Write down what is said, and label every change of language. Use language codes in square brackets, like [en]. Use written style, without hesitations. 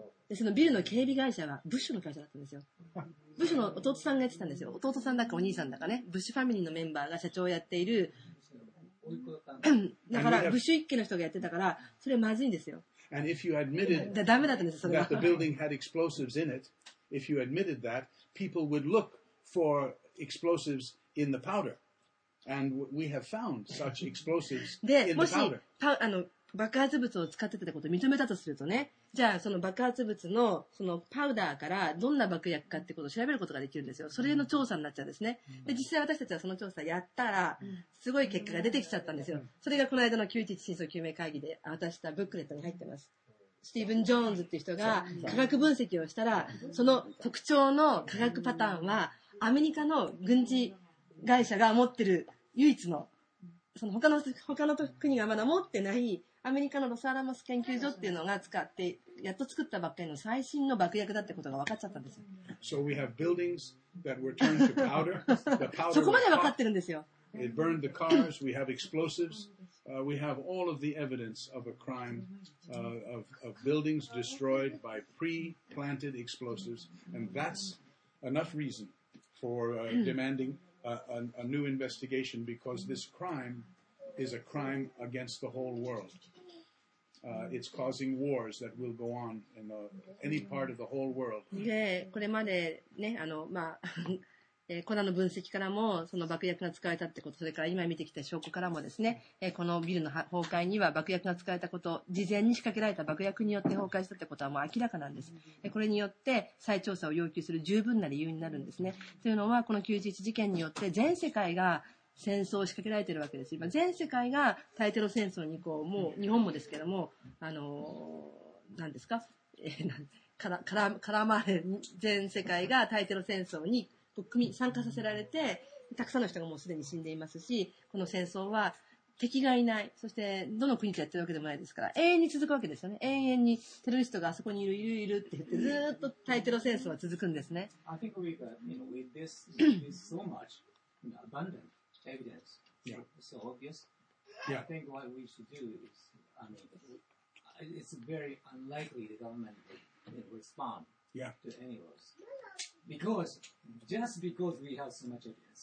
[ja] で、そのビルの警備会社は、ブッシュの会社だったんですよ。ブッシュの弟さんがやってたんですよ。弟さんだかお兄さんだかね、ブッシュファミリーのメンバーが社長をやっている、だから、ブッシュ一家の人がやってたから、それまずいんですよ。 [en] And if you admitted [ja] だ、ダメだったんですよ、それが。 [en] That the building had explosives in it, if you admitted that, people would look for explosives in the powder. And we have found such explosives in the powder. [ja] もしあの爆発物を使ってたことを認めたとするとね、じゃあその爆発物のそのパウダーからどんな爆薬かってことを調べることができるんですよ。それの調査になっちゃうんですね。で実際私たちはその調査やったらすごい結果が出てきちゃったんですよ。それがこの間の911真相究明会議で渡したブックレットに入ってます。スティーブン・ジョーンズっていう人が科学分析をしたら、その特徴の科学パターンはアメリカの軍事会社が持ってる唯一 の, その他の国がまだ持ってないアメリカのロスアラモス研究所っていうのが使ってやっと作ったばっかりの最新の爆薬だってことが分かっちゃったんですよ。 [en] So we have buildings that were turned to powder. The powder [ja] そこまで分かってるんですよ。 [en] It burned the cars. We have explosives. We have all of the evidence of a crime of buildings destroyed by pre-planted explosives. And that's enough reason for demanding a new investigation because this crime is a crime against the whole world. It's causing wars that will go on in any part of the whole world. [ja] で、これまでね、あの、まあ、コナの分析からも、その爆薬が使われたってこと、それから今見てきた証拠からもですね、このビルの崩壊には爆薬が使われたこと、事前に仕掛けられた爆薬によって崩壊したってことはもう明らかなんです。これによって再調査を要求する十分な理由になるんですね。というのは、この911事件によって全世界が戦争を仕掛けられているわけです。今、全世界が対テロ戦争にこう、もう日本もですけども、何ですか、絡まれ、全世界が対テロ戦争に参加させられて、たくさんの人がもうすでに死んでいますし、この戦争は敵がいない、そしてどの国とやってるわけでもないですから、永遠に続くわけですよね。永遠にテロリストがあそこにいるって言って、ずっと対テロ戦争は続くんですね。 [en] I think we got, you know, with this, so much, you know, abundant evidence, so obvious. Yeah. I think what we should do is, I mean, it's very unlikely the government will respond、 yeah. to any of us. Because just because we have so much evidence,